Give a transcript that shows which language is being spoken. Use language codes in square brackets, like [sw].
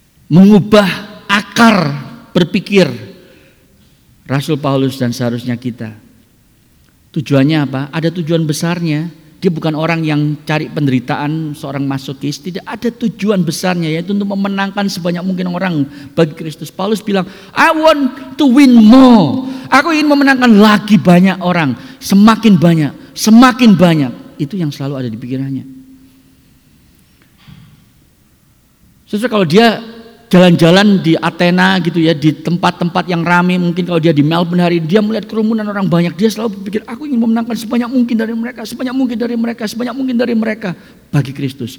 [id] Mengubah akar berpikir Rasul Paulus dan seharusnya kita. Tujuannya apa? Ada tujuan besarnya. Dia bukan orang yang cari penderitaan, seorang masokis. Tidak, ada tujuan besarnya, yaitu untuk memenangkan sebanyak mungkin orang bagi Kristus. Paulus bilang, [en] I want to win more. [id] Aku ingin memenangkan lagi banyak orang. Semakin banyak, semakin banyak. Itu yang selalu ada di pikirannya. Sesuai kalau dia jalan-jalan di Athena gitu ya, di tempat-tempat yang ramai, mungkin kalau dia di Melbourne hari ini, dia melihat kerumunan orang banyak, dia selalu berpikir, aku ingin memenangkan sebanyak mungkin dari mereka, sebanyak mungkin dari mereka, sebanyak mungkin dari mereka bagi Kristus.